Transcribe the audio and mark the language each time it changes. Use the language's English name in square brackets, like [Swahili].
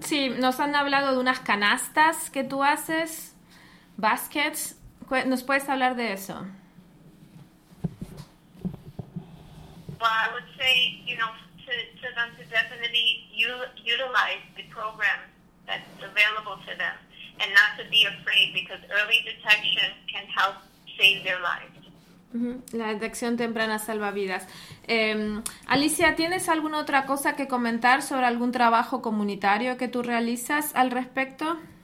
[Spanish] Sí, nos han hablado de unas canastas que tú haces, baskets. ¿Nos puedes hablar de eso? [English] Well, I would say, to them to definitely utilize the program that's available to them, and not to be afraid, because early detection can help save their lives. [Spanish] La detección temprana salva vidas. Alicia, ¿tienes alguna otra cosa que comentar sobre algún trabajo comunitario que tú realizas al respecto?